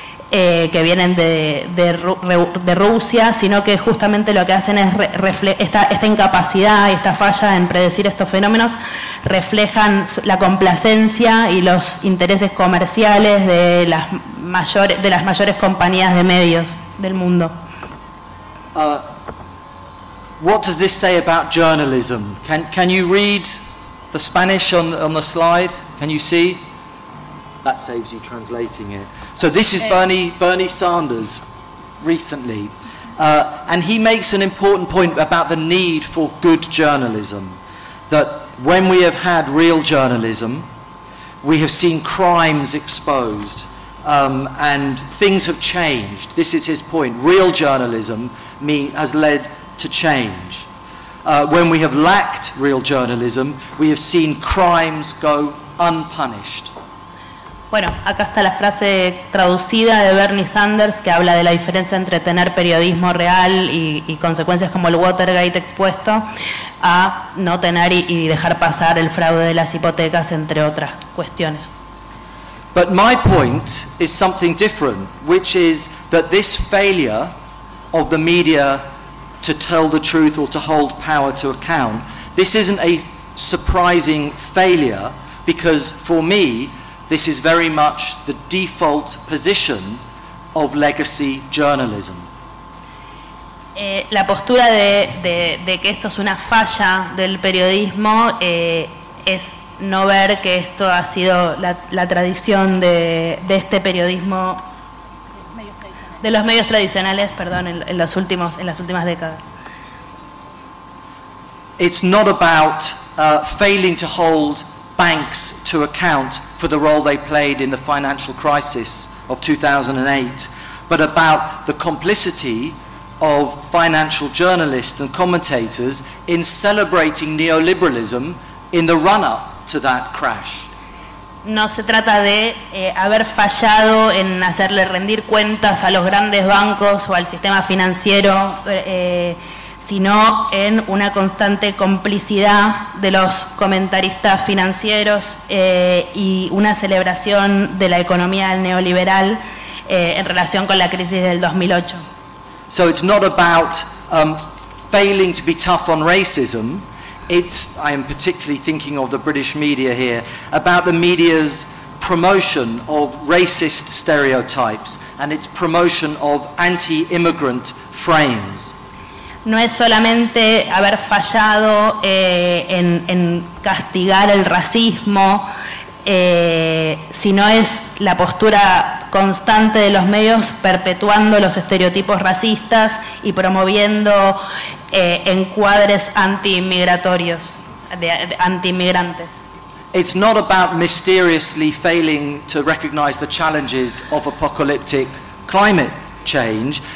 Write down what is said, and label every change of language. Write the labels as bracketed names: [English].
[Spanish] que vienen de Rusia, sino que justamente lo que hacen es esta incapacidad y esta falla en predecir estos fenómenos reflejan la complacencia y los intereses comerciales de las mayores compañías de medios del mundo. [English] What does this say about journalism? Can you read the Spanish on the slide? Can you see? That saves you translating it. So this is Bernie Sanders recently. And he makes an important point about the need for good journalism. That when we have had real journalism, we have seen crimes exposed. And things have changed. This is his point. Real journalism has led to change. When we have lacked real journalism, we have seen crimes go unpunished. [Spanish] Bueno, acá está la frase traducida de Bernie Sanders, que habla de la diferencia entre tener periodismo real y consecuencias como el Watergate expuesto a no tener y dejar pasar el fraude de las hipotecas, entre otras cuestiones. [English] But my point is something different, which is that this failure of the media to tell the truth or to hold power to account, this isn't a surprising failure, because for me, this is very much the default position of legacy journalism. [Spanish] La postura de que esto es una falla del periodismo es no ver que esto ha sido la tradición de este periodismo, de los medios tradicionales, perdón, en las últimas décadas. [English] It's not about failing to hold banks to account for the role they played in the financial crisis of 2008, but about the complicity of financial journalists and commentators in celebrating neoliberalism in the run-up to that crash. [Spanish] No se trata de haber fallado en hacerle rendir cuentas a los grandes bancos o al sistema financiero, sino en una constante complicidad de los comentaristas financieros y una celebración de la economía neoliberal en relación con la crisis del 2008. [English] So it's not about failing to be tough on racism. It's, I am particularly thinking of the British media here, about the media's promotion of racist stereotypes and its promotion of anti-immigrant frames. [Spanish] No es solamente haber fallado en castigar el racismo, sino es la postura constante de los medios perpetuando los estereotipos racistas y promoviendo encuadres anti-inmigratorios, de anti-inmigrantes. [English] It's not about mysteriously failing to recognize the challenges of apocalyptic climate change.